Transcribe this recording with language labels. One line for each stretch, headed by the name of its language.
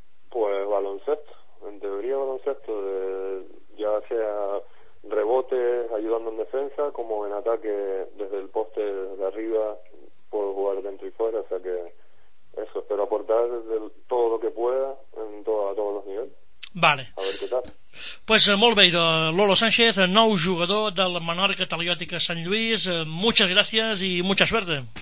Spanish: Pues baloncesto, en teoría baloncesto, ya sea rebotes, ayudando en defensa, como en ataque desde el poste de arriba, puedo jugar dentro y fuera, o sea que eso, espero aportar todo lo que pueda en todos los niveles. Vale. A ver
Catalan: què tal. Pues molt bé, Lolo Sánchez, nou jugador del Menorca Taliòtica Sant Lluís.
Spanish: Muchas gracias y mucha suerte.